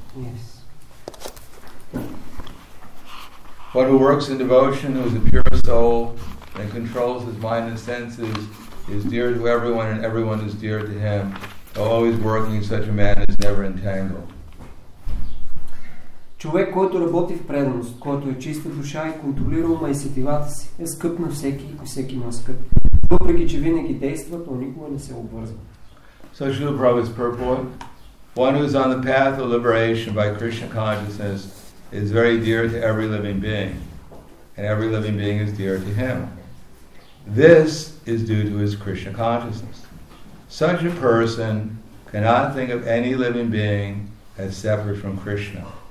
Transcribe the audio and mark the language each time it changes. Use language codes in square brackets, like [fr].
[en] Yes. One who works in devotion, who is a pure soul, and controls his mind and senses, is dear to everyone, and everyone is dear to him. Always working, such a man is never entangled. [bg] Човек, който работи в преданост, който е чиста душа и контролира ума и сетивата си, е скъп на всеки и всеки му е скъп. Въпреки че винаги действа, то никога не се обвързва. [en] So Srila Prabhupada's purport. One who is on the path of liberation by Krishna consciousness is very dear to every living being, and every living being is dear to him. This is due to his Krishna consciousness. Such a person cannot think of any living being as separate from Krishna.